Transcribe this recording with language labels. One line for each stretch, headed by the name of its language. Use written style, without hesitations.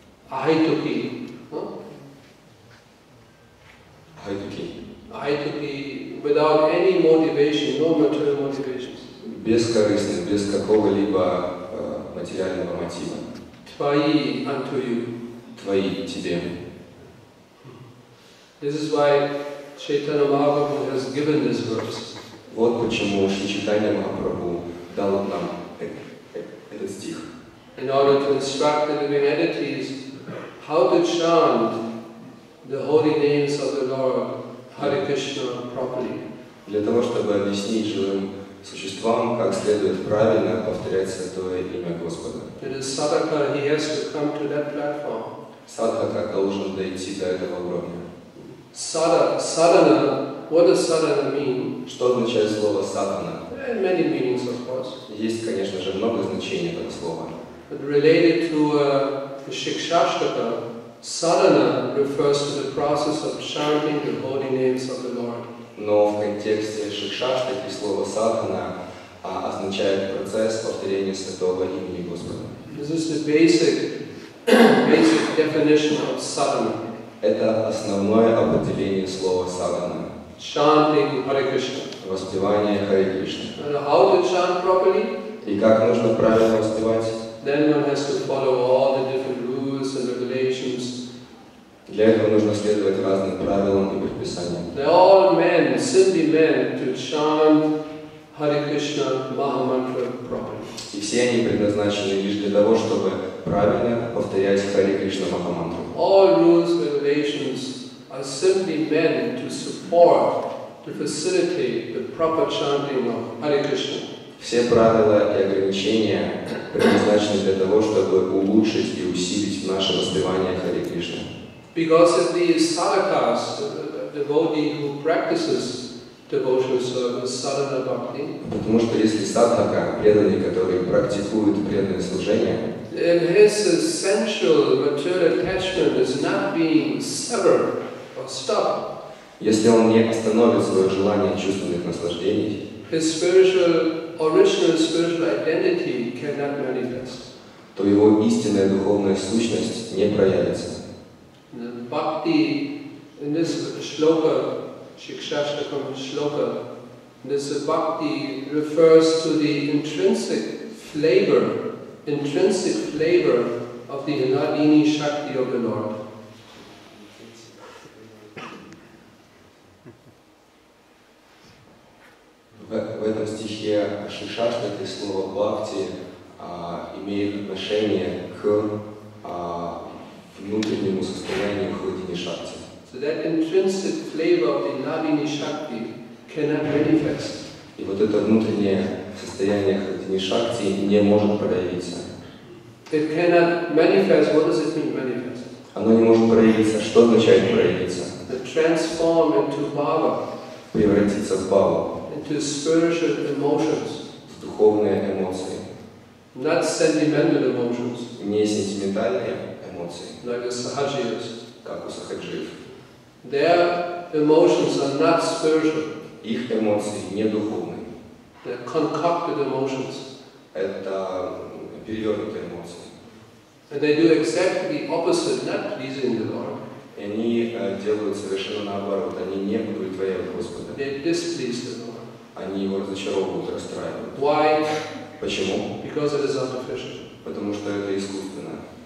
Sanskrit: Ахайтуки. Ахайтуки.
English: Ахайтуки without any motivation, no material motivation.
Russian: Без корысти, без какого-либо материального мотива.
English: Твои, unto you.
Russian: Твои, тебе.
English: This is why Chaitanya Mahaprabhu has given this verse.
Russian: Вот почему Шри Чайтанья Махапрабху дал нам этот стих.
English: In order to instruct the living entities how to chant the holy names of the Lord Hare Krishna properly.
Russian: Для того, чтобы объяснить живым существам, как следует правильно повторять Святое Имя Господа.
English: Sadhaka, he has to come to that platform.
Russian: Sadhaka должен дойти до этого уровня.
English: Sadhana, what does sadhana mean?
Russian: Что означает слово sadhana?
English: Many meanings, of course.
Russian: Есть, конечно же, много значений этого слова.
English: But related to Shikshashtaka, sadhana refers to the process of chanting the holy names of the Lord.
Russian: Но в контексте шикшаштаки слово садхана означает процесс повторения святого имени Господа.
English: This is the basic definition of sadhana.
Russian: Это основное определение слова садхана.
English: Chanting Hare Krishna.
Russian: Воспевание Харе Кришны.
English: And how to chant properly?
Russian: И как нужно правильно воспевать?
English: Then one has to follow all the different rules and regulations.
Russian: Для этого нужно следовать разным правилам и предписаниям.
English: They are all men, simply men, to chant Hare Krishna Maha Mantra properly.
Russian: И все они предназначены лишь для того, чтобы правильно повторять Hare Krishna Maha Mantra.
English: All rules and regulations are simply men to support, to facilitate the proper chanting of Hare Krishna.
Russian: Все правила и ограничения предназначены для того, чтобы улучшить и усилить наше воспевание Hare Krishna.
English: Because if the sadhakas, the devotee who practices devotional service, sadhana bhakti,
Russian: потому что если садхака, преданный, который практикует преданное служение,
English: then his essential material attachment is not being severed or stopped.
Russian: Если он не остановит свое желание чувственных наслаждений,
English: his spiritual, original spiritual identity cannot manifest.
Russian: То его истинная духовная сущность не проявится.
English: Bhakti in this shloka, Shikshashtakam shloka, this bhakti refers to the intrinsic flavor of the Anadini Shakti of the Lord.
Russian: В этом стихе Шикшаштаки слово бхакти имеет отношение к внутреннему состоянию Харидини Шакти.
English: So that intrinsic flavor of the Nadini Shakti cannot manifest.
Russian: И вот это внутреннее состояние Хардини Шакти не может проявиться.
English: It cannot manifest. What does it mean manifest?
Russian: Оно не может проявиться. Что означает проявиться?
English: To transform into bhava.
Russian: Превратиться в бхаву.
English: Into spiritual emotions.
Russian: В духовные эмоции.
English: Not sentimental emotions.
Russian: Не сентиментальные эмоции.
English: Like the sahajiyas.
Russian: Как у сахаджиев.
English: Their emotions are not spiritual.
Russian: Их эмоции не духовные.
English: They're concocted emotions.
Russian: Это перевернутые эмоции.
English: And they do exactly the opposite, not pleasing the Lord.
Russian: Они делают совершенно наоборот. Они не удовлетворяют Господа.
English: They displease the Lord.
Russian: Они его разочаровывают, расстраивают.
English: Why?
Russian: Почему?
English: Because it is artificial.
Russian: Потому что это искусственно.